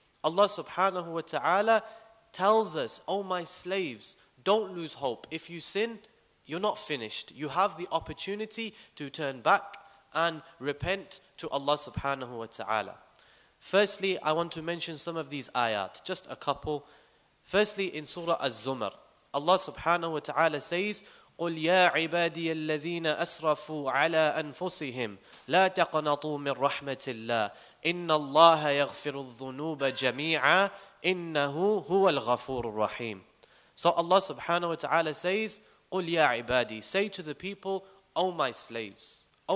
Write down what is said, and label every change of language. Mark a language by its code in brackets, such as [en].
[en] Allah subhanahu wa ta'ala tells us, O my slaves, don't lose hope. If you sin, you're not finished. You have the opportunity to turn back and repent to Allah subhanahu wa ta'ala. Firstly, I want to mention some of these ayat, just a couple. Firstly, in Surah Az-Zumar, Allah subhanahu wa ta'ala says, [ar] قُلْ يَا عِبَادِيَ الَّذِينَ أَسْرَفُوا عَلَىٰ أَنفُسِهِمْ لَا تَقْنَطُوا مِنْ رَحْمَةِ اللَّهِ إِنَّ اللَّهَ يَغْفِرُ الذُّنُوبَ جَمِيعًا إِنَّهُ هُوَ الْغَفُورُ الرَّحِيمُ. [en] So Allah subhanahu wa ta'ala says, [ar] قُلْ يَا عِبَادِي, [en] say to the people, O my slaves.